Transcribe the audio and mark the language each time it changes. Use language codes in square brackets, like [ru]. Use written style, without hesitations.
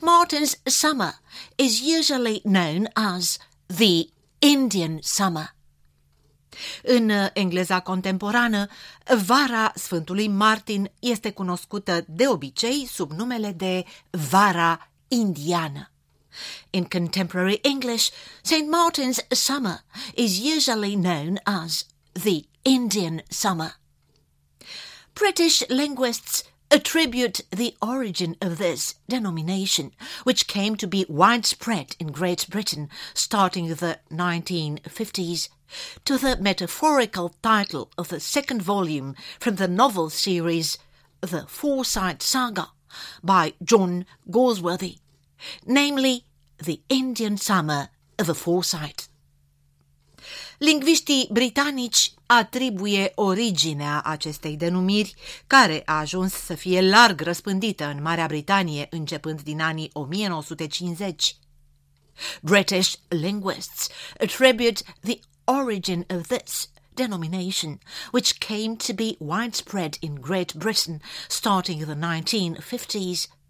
[en] Martin's summer is usually known as the Indian summer. [ro] În engleza contemporană, Vara Sfântului Martin este cunoscută de obicei sub numele de Vara Indiană. [en] In contemporary English, St. Martin's summer is usually known as the Indian summer. British linguists attribute the origin of this denomination, which came to be widespread in Great Britain starting the 1950s, to the metaphorical title of the second volume from the novel series The Forsyte Saga by John Galsworthy, namely The Indian Summer of the Forsyte. [ro] Lingviștii britanici atribuie originea acestei denumiri, care a ajuns să fie larg răspândită în Marea Britanie începând din anii 1950. [en] British linguists attribute the origin of this denomination, which came to be widespread in Great Britain starting the 1950s.